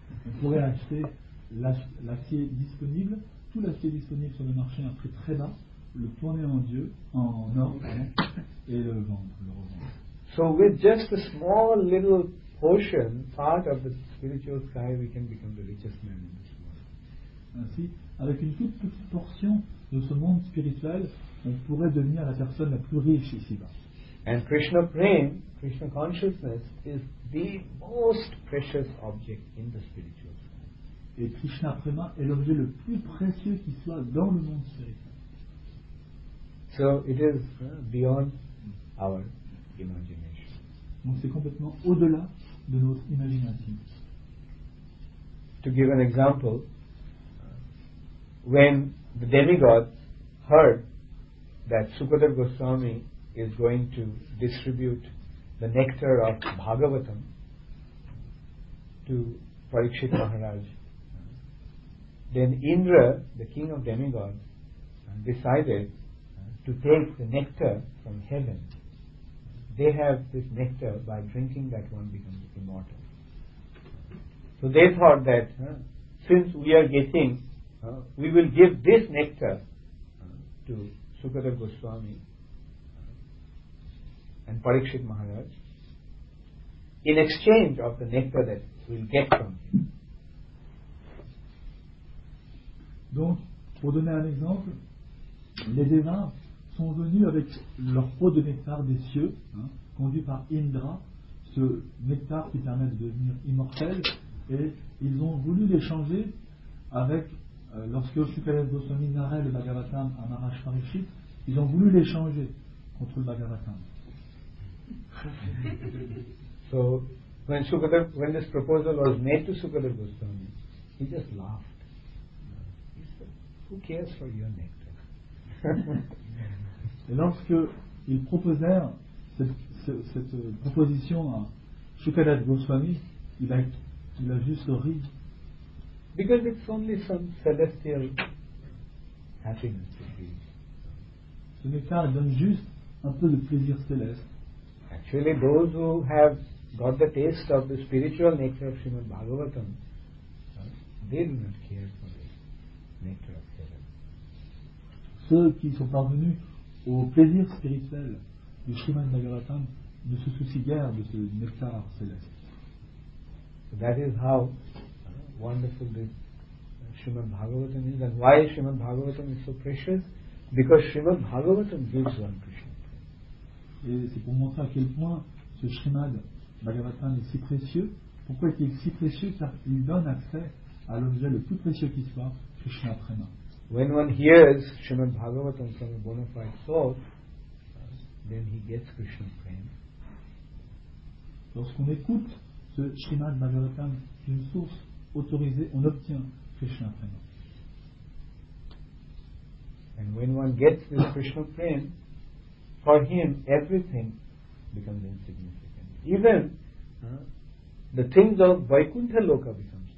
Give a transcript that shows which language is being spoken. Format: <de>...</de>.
<fr>On pourrait acheter l'acier disponible, tout l'acier disponible sur le marché à prix très bas, le tourner en Dieu, en or, et le vendre, le revendre.</fr> <en>So with just a small little portion, part of the spiritual sky, we can become the richest man in this world.</en> <fr>Ainsi, avec une toute petite portion de ce monde spirituel, on pourrait devenir la personne la plus riche ici-bas.</fr> <en>And Krishna Prem, Krishna Consciousness, is the most precious object in the spiritual sky.</en> <fr>Et Krishna Prema est l'objet le plus précieux qui soit dans le monde spirituel.</fr> <en>So it is beyond our imagination.</en> <fr>Donc c'est complètement au-delà de notre imagination.</fr> <en>To give an example, when the demigods heard that Sukadev Goswami is going to distribute the nectar of Bhagavatam to Parikshit Maharaj, then Indra, the king of demigods, decided to take the nectar from heaven. They have this nectar, by drinking that one becomes immortal. So they thought that since we are getting, we will give this nectar to Sukadev Goswami and Parikshit Maharaj in exchange of the nectar that we will get from him.</en> <fr>Donc, pour donner un exemple, les devins sont venus avec leur pot de nectar des cieux, conduit par Indra, ce nectar qui permet de devenir immortel, et ils ont voulu l'échanger avec, lorsque Sukadev Goswami narrait le Bhagavatam à Maharaj Parikshit, ils ont voulu l'échanger contre le Bhagavatam.</fr> <en>So, when this proposal was made to Sukadev Goswami, he just laughed. Who cares for your nectar?</en> <fr>Et lorsque ils proposèrent cette proposition à Sukadev Goswami, il a juste ri.</fr> <en>Because it's only some celestial happiness to be.</en> <fr>Ce nectar donne juste un peu de plaisir céleste.</fr> <en>Actually, those who have got the taste of the spiritual nectar of Srimad Bhagavatam, they do not care for the nectar.</en> <fr>Ceux qui sont parvenus au plaisir spirituel du Srimad Bhagavatam ne se soucient guère de ce nectar céleste.</fr> <en>That is how wonderful this Srimad Bhagavatam is, and why Srimad Bhagavatam is so precious, because Srimad Bhagavatam gives one Krishna.</en> <fr>Et c'est pour montrer à quel point ce Srimad Bhagavatam est si précieux. Pourquoi est-il si précieux? Car il donne accès à l'objet le plus précieux qui soit, Krishna Prema.</fr> <en>When one hears Srimad Bhagavatam from a bona fide soul, then he gets Krishna prema.</en> <fr>Lorsqu'on écoute ce Srimad Bhagavatam d'une source autorisée, on obtient Krishna prema.</fr> <en>And when one gets this Krishna prema, for him everything becomes insignificant. Even the things of Vaikuntha Loka become.</en>